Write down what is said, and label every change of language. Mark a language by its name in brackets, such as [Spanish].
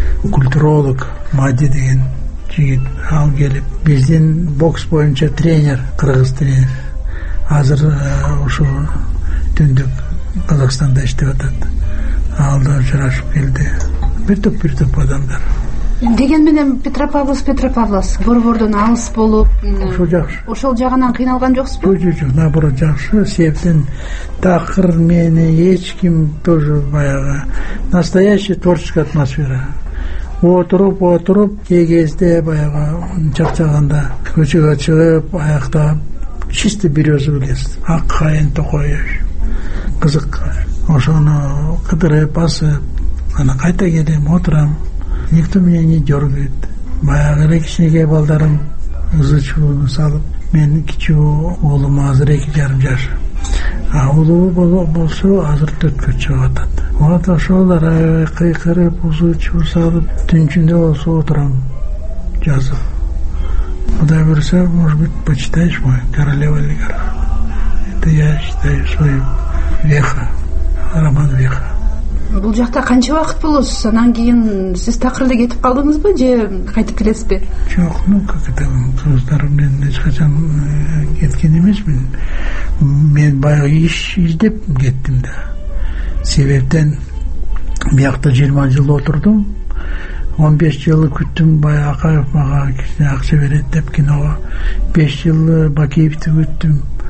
[Kyrgyz] Культуролог Мади деген жигит, ал келип биздин бокс боюнча тренер, кыргыз тренер азыр ушул түндүк Казакстанда иштеп атат. Алда жарашып келди. Бир топ адамдар. Деген менен Петропавловск борбордон алыс болуп, ошол жакшы. Ошол жагынан кыйналган жоксузбу? Жок, наоборот, жакшы. Себептен такыр мени эч ким тоже баягы [Russian] настоящий творческий атмосфера. [Kyrgyz] Отуруп, кээ кезде баягы чакчаганда көчөгө чыгып, аяктап [Russian] чистый берёза лист, [Kyrgyz] ак кайын токоюш. Кызык. Ошону кыдырып басып, аны кайта келем, отурам. [Russian] Никто меня не дёргает. [Kyrgyz] Баягы эле кичинекей балдарым ызычуун салып, менин кичүү уулум азыр 2.5 жаш. А улуу болсо азыр 4-кө чыгып атат. Вот ошолор кыйкырып, ызычуу салып, түнчүндө болсо отурам жазып. Кудай буйруса, [Russian] может быть, почитаешь мой Королева Олигарха. Это я считаю свою веха, роман веха. [Kyrgyz] Бул жакта канча убакыт болосуз? Анан кийин сиз такыр эле кетип калдыңызбы же кайтып келесизби? Жок, [Russian] ну как это, [Kyrgyz] кыздарым, мен эч качан кеткен эмесмин. Мен баягы иш издеп кеттим да. Себептен биякта 20 жыл отурдум, 15 жыл күттүм, баягы Акаев мага акча берет деп киного, 5 жыл Бакиевди күттүм.